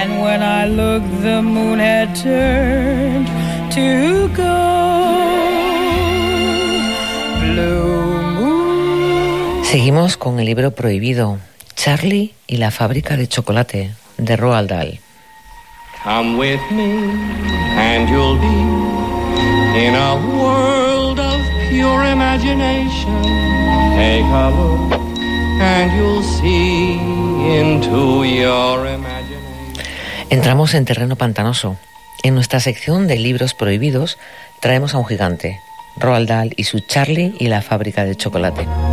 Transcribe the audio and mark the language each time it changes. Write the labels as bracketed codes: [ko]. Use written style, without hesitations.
[en] When I looked, the moon had turned to gold. Blue moon. [es] Seguimos con el libro prohibido, Charlie y la fábrica de chocolate, de Roald Dahl. [en] Come with me and you'll be in a world of pure imagination. Take a look and you'll see into your imagination. [es] Entramos en terreno pantanoso. En nuestra sección de libros prohibidos traemos a un gigante, Roald Dahl y su Charlie y la fábrica de chocolate.